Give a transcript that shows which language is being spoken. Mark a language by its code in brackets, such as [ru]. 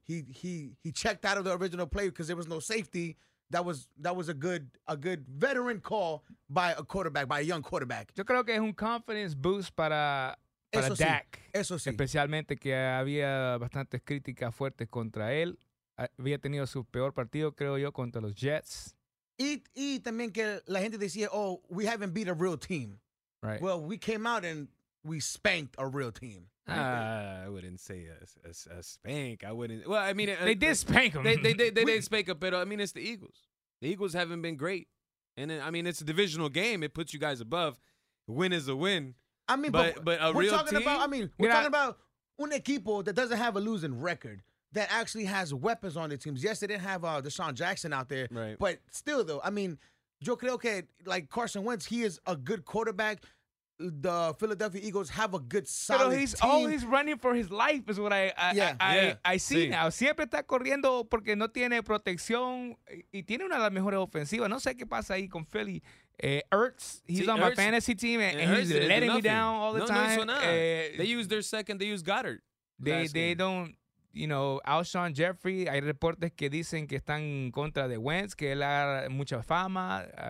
[en] He checked out of the original play because there was no safety. That was a good veteran call by a quarterback, by a young quarterback. [es] Yo creo que es un [en] confidence boost [es] para eso Dak. Sí. Eso sí. Especialmente que había bastantes críticas fuertes contra él. Había tenido su peor partido, creo yo, contra los Jets. Y también que la gente decía, [en] oh, we haven't beat a real team. Right. Well, we came out and we spanked a real team. I wouldn't say a spank. I wouldn't. Well, I mean, they did spank them. They did spank them, but I mean, it's the Eagles. The Eagles haven't been great. And then, I mean, it's a divisional game. It puts you guys above. Win is a win. I mean, but a real team. We're talking about [es] un equipo [en] that doesn't have a losing record, that actually has weapons on the teams. Yes, they didn't have DeSean Jackson out there. Right. But still, though, I mean, [es] yo creo que, [en] like Carson Wentz, he is a good quarterback. The Philadelphia Eagles have a good solid team. [es] Pero [en] he's always running for his life is what I see now. [es] Siempre está corriendo porque no tiene protección y tiene una de las mejores ofensivas. No sé qué pasa ahí con Philly. [en] Ertz, he's on my fantasy team and he's letting me down all the time. They use their second, they use Goddard. They don't, you know, [es] Alshon Jeffrey, hay reportes que dicen que están en contra de Wentz, que él ha mucha fama.